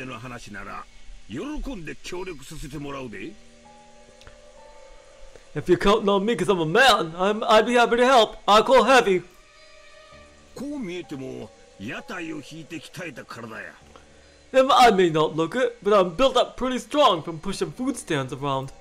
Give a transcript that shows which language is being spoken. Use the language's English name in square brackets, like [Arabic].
[Japanese] わしを男と見込んでの話なら喜んで協力させてもらうで [English] If you're counting on me because I'm a man, I'd be happy to help. I call heavy. [Japanese] こう見えても屋台を引いて鍛えた体や [English] I may not look it, but I'm built up pretty strong from pushing food stands around.